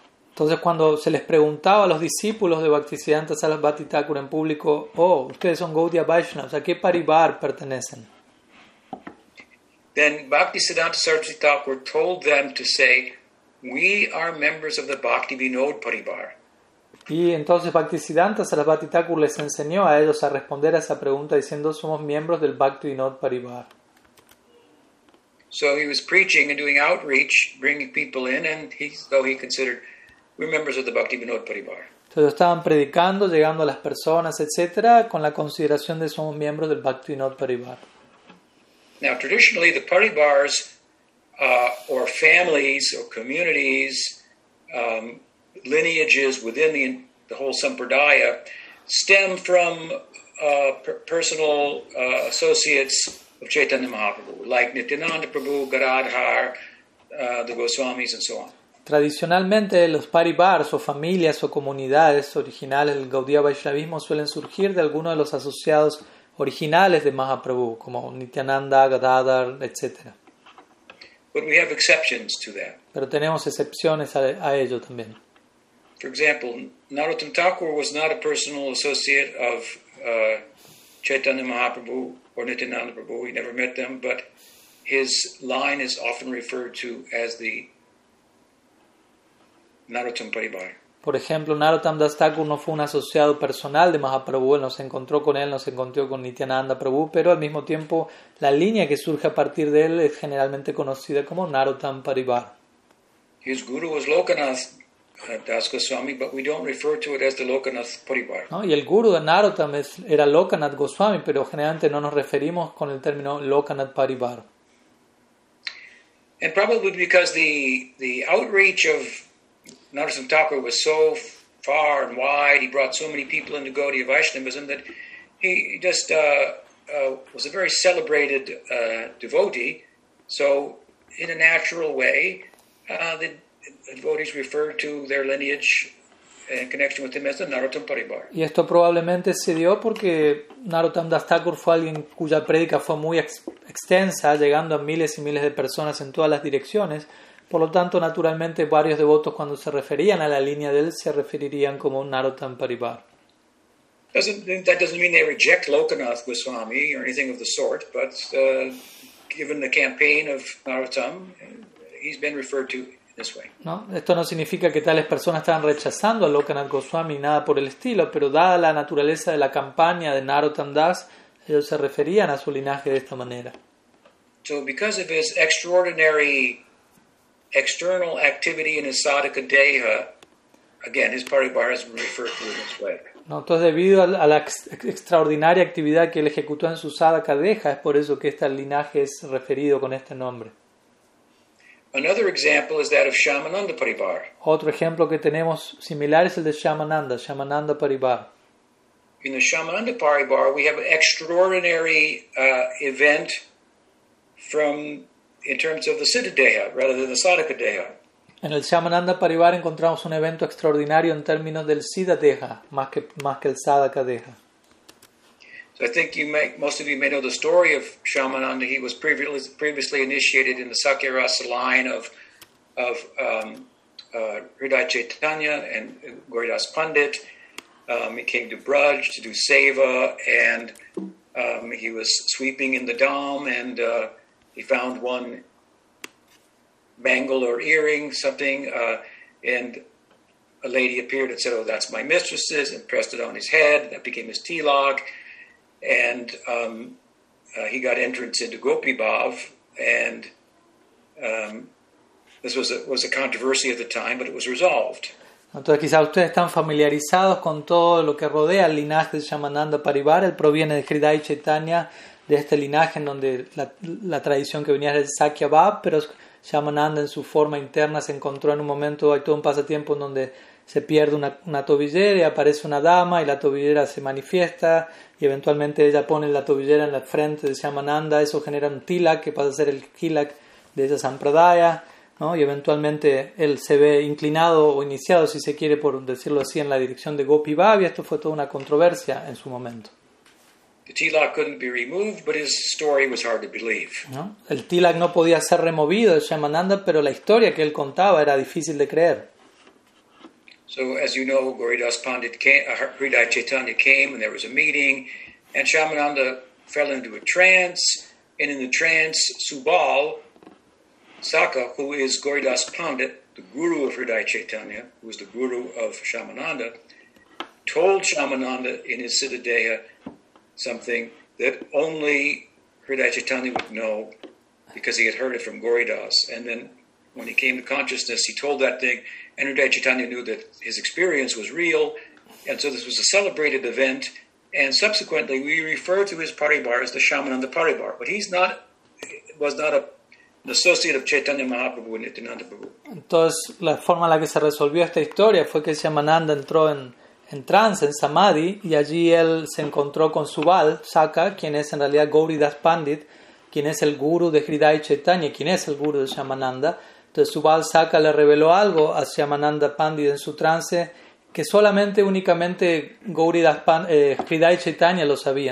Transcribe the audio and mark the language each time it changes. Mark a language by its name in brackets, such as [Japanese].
[Spanish] Entonces cuando se les preguntaba a los discípulos de Bhaktisiddhanta Sarasvati Thakur en público, oh, ustedes son Gaudiya Vaishnavas, ¿a qué paribar pertenecen? [English] Then Bhaktisiddhanta Sarasvati Thakur told them to say, we are members of the Bhaktivinoda paribar. [Spanish] Y entonces Bhaktisiddhanta Sarasvati Thakur les enseñó a ellos a responder a esa pregunta diciendo, somos miembros del Bhaktivinoda paribar. [English] So he was preaching and doing outreach, bringing people in, and he considered, we're members of the Bhaktivinoda paribar. [Spanish] Entonces estaban predicando, llegando a las personas, etcétera, con la consideración de somos miembros del Bhaktivinoda paribar. [English] Now, traditionally, the paribars or families or communities, lineages within the whole sampradaya, stem from personal associates of Chaitanya Mahaprabhu, like Nityananda Prabhu, Garadhar, the Goswamis, and so on. [Spanish] Tradicionalmente, los paribars o familias o comunidades originales del Gaudiya Vaishnavismo suelen surgir de alguno de los asociados originales de Mahaprabhu, como Nityananda, Gadadhar, etc. [English] But we have exceptions to that. [Spanish] Pero tenemos excepciones a ello también. [English] For example, Narottam Thakur was not a personal associate of Chaitanya Mahaprabhu or Nityananda Prabhu. He never met them, but his line is often referred to as the Narottam Paribar. [Spanish] Por ejemplo, Narottam Das Thakur no fue un asociado personal de Mahaprabhu, él no se encontró con él, no se encontró con Nityananda Prabhu, pero al mismo tiempo la línea que surge a partir de él es generalmente conocida como Narottam Paribar. [English] His guru was Lokanath Das Goswami, but we don't refer to it as the Lokanath Paribar. [Spanish] ¿No? Y el guru de Narottam era Lokanath Goswami, pero generalmente no nos referimos con el término Lokanath Paribar. [English] And probably because the outreach of Narottam Thakur was so far and wide, he brought so many people into Gaudiya Vaishnavism that he just was a very celebrated devotee. So in a natural way, the devotees referred to their lineage in connection with him as the Narottam Paribar. [Spanish] Y esto probablemente se dio porque Narottam Das Thakur fue alguien cuya prédica fue muy extensa, llegando a miles y miles de personas en todas las direcciones. Por lo tanto, naturalmente, varios devotos cuando se referían a la línea de él se referirían como Narottam Paribar. [English] That doesn't mean they reject Lokanath Goswami or anything of the sort, but given the campaign of Narottam, he's been referred to this way. [Spanish] No, esto no significa que tales personas estaban rechazando a Lokanath Goswami nada por el estilo, pero dada la naturaleza de la campaña de Narottam Das, ellos se referían a su linaje de esta manera. [English] So because of his extraordinary external activity in his sadhaka deha, again, his paribar has been referred to in this way. [Spanish] No, entonces debido a la extraordinaria actividad que él ejecutó en su sadhaka deha, es por eso que este linaje es referido con este nombre. [English] Another example is that of Shyamananda Paribar. [Spanish] Otro ejemplo que tenemos similar es el de Shyamananda, Shyamananda Paribar. [English] In the Shyamananda Paribar, we have an extraordinary event from in terms of the siddhadeha rather than the sadhaka deha. [Spanish] En el Shyamananda Paribar encontramos un evento extraordinario en términos del siddhadeha más que el sadhaka deha. [English] So I think most of you may know the story of Shyamananda. He was previously initiated in the Sakya Rasa line of Hridaya Chaitanya and Gauridas Pandit. He came to Braj to do seva, and he was sweeping in the dam, and he found one bangle or earring, something, and a lady appeared and said, "Oh, that's my mistress's," and pressed it on his head. That became his tilak, and he got entrance into Gopi Bhav, and This was a controversy at the time, but it was resolved. [Spanish] Entonces quizá ustedes están familiarizados con todo lo que rodea el linaje de Shyamananda Parivara. Él proviene de Hriday Chaitanya, de este linaje en donde la tradición que venía era el Sakya Bab, pero Shyamananda en su forma interna se encontró en un momento, hay todo un pasatiempo en donde se pierde una tobillera y aparece una dama y la tobillera se manifiesta y eventualmente ella pone la tobillera en la frente de Shyamananda, eso genera un tilak que pasa a ser el kilak de esa sampradaya, ¿no? Y eventualmente él se ve inclinado o iniciado, si se quiere, por decirlo así, en la dirección de Gopi Bab, y esto fue toda una controversia en su momento. [English] The tilak couldn't be removed, but his story was hard to believe. [Spanish] ¿No? El tilak no podía ser removido de Shyamananda, pero la historia que él contaba era difícil de creer. [English] So as you know, Gauridas Pandit came, Hriday Chaitanya came, and there was a meeting, and Shyamananda fell into a trance, and in the trance, Subal Saka, who is Gauridas Pandit, the guru of Hriday Chaitanya, who was the guru of Shyamananda, told Shyamananda in his Siddhadeha something that only Hriday Chaitanya would know because he had heard it from Gauridas. And then when he came to consciousness, he told that thing, and Hriday Chaitanya knew that his experience was real. And so this was a celebrated event. And subsequently, we refer to his Paribar as the Shyamananda Paribar. But he was not an associate of Chaitanya Mahaprabhu and Nityananda Prabhu. [Spanish] Entonces, la forma en la que se resolvió esta historia fue que Shyamananda entró en trance, en samadhi, y allí él se encontró con Subal Saka, quien es en realidad Gauridas Pandit, quien es el guru de Hriday Chaitanya, quien es el guru de Shyamananda. Entonces Subal Saka le reveló algo a Shyamananda Pandit en su trance que solamente, únicamente Gauridas Pandit, Hriday Chaitanya lo sabía.